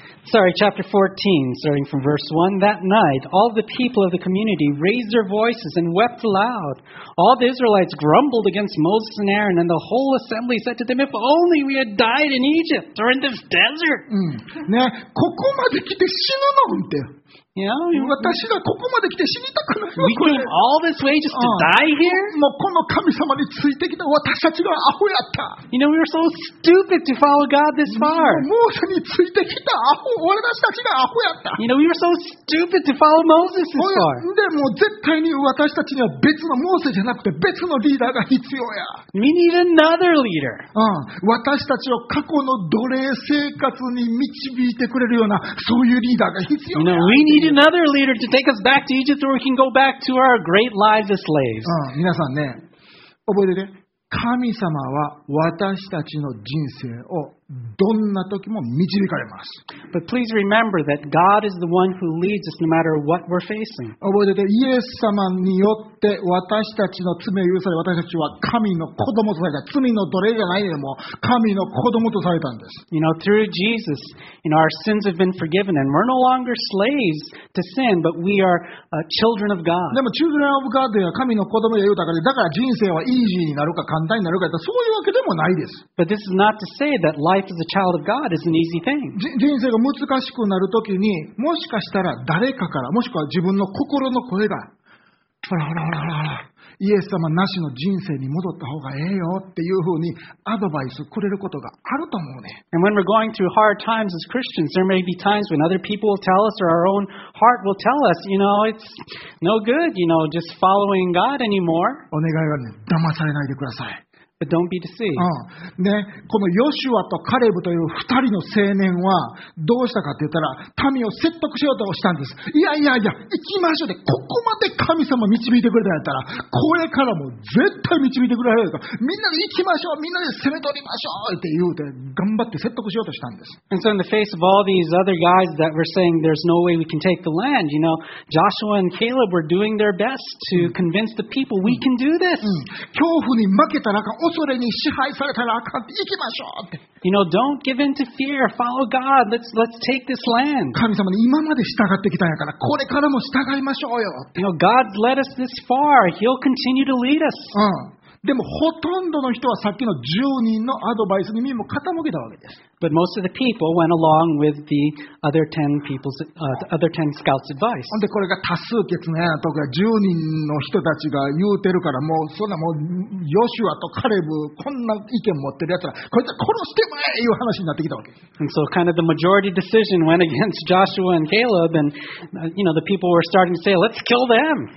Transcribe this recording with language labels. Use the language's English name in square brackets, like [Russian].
[English] Sorry, chapter 14, starting from verse 1. That night, all the people of the community raised their voices and wept aloud. All the Israelites grumbled against Moses and Aaron, and the whole assembly said to them, if only we had died in Egypt or in this desert. [Japanese] ね、ここまで来て死ぬのって。私がここまで来て死にたくない。 [English] We came all this way just to die here? [Japanese] もうこの神様についてきた私たちがアホやった。 [English] You know, we were so stupid to follow God this far. [Japanese] モーセについてきたアホ、私たちがアホやった。 [English] You know, we were so stupid to follow Moses this far. [Japanese] でも絶対に私たちには別のモーセじゃなくて別のリーダーが必要や。 [English] We need another leader. [Japanese] 私たちを過去の奴隷生活に導いてくれるようなそういうリーダーが必要や。 [English] You know, We need another leader to take us back to Egypt where we can go back to our great lives as slaves. [Japanese] 皆さんね、覚えてね。神様は私たちの人生をどんな時も導かれます。 [English] But please remember that God is the one who leads us no matter what we're facing. [Japanese] 覚えてて、イエス様によって私たちの罪を許され、私たちは神の子供とされた。罪の奴隷じゃないでも、神の子供とされたんです。 [English] You know, through Jesus, you know, our sins have been forgiven, and we're no longer slaves to sin, but we are children of God. [Japanese] でも、 [English] children of God [Japanese] では神の子供で言うたから、だから人生はイージーになるか簡単になるかって、そういうわけでもないです。 [English] But this is not to say that life as a child of God is an easy thing. [Japanese] 人生が難しくなるときに、もしかしたら誰かから、もしくは自分の心の声が、ほらほらほらほら、イエス様なしの人生に戻った方がええよっていうふうにアドバイスくれることがあると思うね。 [English] And when we're going through hard times as Christians, there may be times when other people will tell us or our own heart will tell us, you know, it's no good, you know, just following God anymore. [Japanese] お願いはね、騙されないでください。 [English] But don't be deceived. [Japanese] ね、このヨシュアとカレブという2人の青年はどうしたかって言ったら民を説得しようとしたんです。いやいやいや、行きましょうで、ここまで神様導いてくれたんやったら、これからも絶対導いてくれるよ。みんなで行きましょう、みんなで攻め取りましょうって言うて頑張って説得しようとしたんです。 [English] And so in the face of all these other guys that were saying there's no way we can take the land, you know, Joshua and Caleb were doing their best to convince the people we can do this. [Japanese] 恐怖に負けたらあかん。恐れに支配されたらあかん。行きましょう。 [English] You know, don't give in to fear. Follow God. Let's take this land. [Japanese] 神様に今まで従ってきたんやから、これからも従いましょうよ。 [English] You know, God's led us this far. He'll continue to lead us. [Japanese] でもほとんどの人はさっきの10人のアドバイスに耳も傾けたわけです。 [English] But most of the people went along with the other 10 people's, other 10 scouts' advice. [Japanese] でこれが多数決のやなとか10人の人たちが言うてるからもうそんなもうヨシュアとカレブこんな意見持ってるやつらこいつは殺してもらえいう話になってきたわけ。 [English] And so kind of the majority decision went against Joshua and Caleb and you know, the people were starting to say, let's kill them.